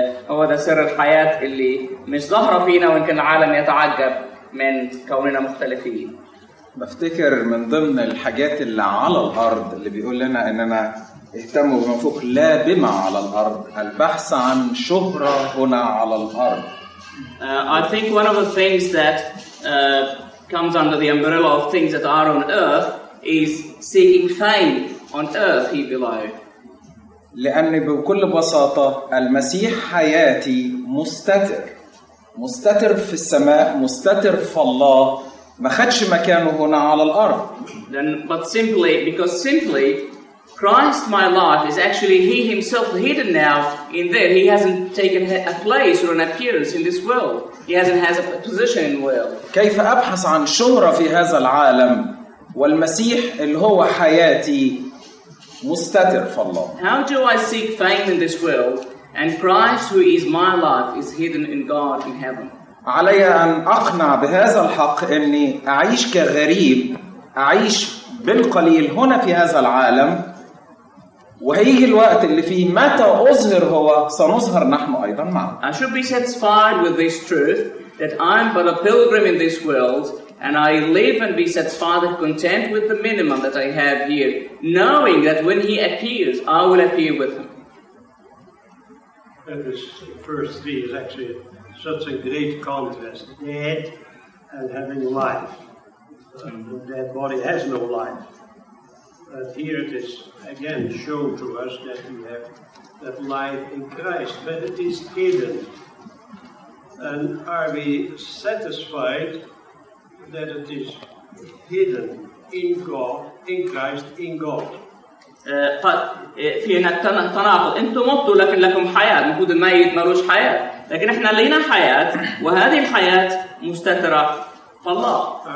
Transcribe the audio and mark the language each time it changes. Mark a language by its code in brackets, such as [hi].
[ar] هو ده سر الحياة اللي مش ظاهرة فينا، وإن كان العالم يتعجب من كوننا مختلفين. بفتكر من ضمن الحاجات اللي على الأرض اللي بيقول لنا أننا اهتم بمفوق لا بما على الأرض، البحث عن شهرة هنا على الأرض. [en] I think one of the things that comes under the umbrella of things that are on earth is seeking fame on earth here below. [ar] لأن بكل بساطة المسيح حياتي مستتر، مستتر في السماء، مستتر في الله، ما خدش مكانه هنا على الأرض. [en] Then, but simply, because simply, Christ, my life, is actually He Himself hidden now in there. He hasn't taken a place or an appearance in this world. He hasn't had a position in the world. [ar] كيف أبحث عن شهرة في هذا العالم والمسيح اللي هو حياتي مستتر في الله؟ [en] How do I seek fame in this world and Christ, who is my life, is hidden in God in heaven? [ar] علي أن أقنع بهذا الحق أني أعيش كغريب، أعيش بالقليل هنا في هذا العالم، وهيجي الوقت اللي فيه متى أظهر هو سنظهر نحن أيضا معه. [en] I should be satisfied with this truth that I'm but a pilgrim in this world and I live and be satisfied and content with the minimum that I have here, knowing that when he appears I will appear with him. And this first three is actually such a great contrast, dead and having life. The dead body has no life. But here it is again shown to us that we have that life in Christ, but it is hidden. And are we satisfied that it is hidden in God, in Christ, in God? [ar] قد في التناقض، انتم مبتوا لكن لكم حياه، المفروض الميت مالوش حياه، لكن احنا لينا حياه وهذه الحياه مستتره في الله.